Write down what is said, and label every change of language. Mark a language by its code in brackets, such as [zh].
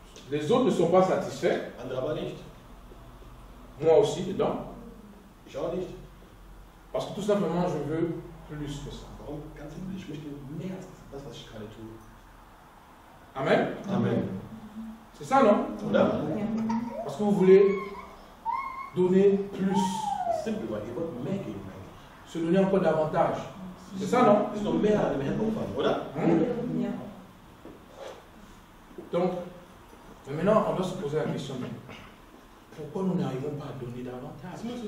[fr] Les autres ne sont pas satisfaits. [de] Andere aber nicht. [fr] Moi aussi, dedans. [de] Ich auch nicht. [fr] Parce que tout simplement, je veux plus que ça. [de] Warum? Ganz simple, ich möchte mehr als das, was ich gerade tue. Amen. Amen. Amen. [fr] C'est ça, non? [de] Oder? [fr] Parce que vous voulez donner plus. [de] Simple, weil ihr wollt mehr geben. [fr] Se donner encore davantage. C'est ça, non? [de] Ist noch mehr als mehr Opfer, oder? [fr] Donc. Mais maintenant, on doit se poser la question, pourquoi nous n'arrivons pas à donner davantage?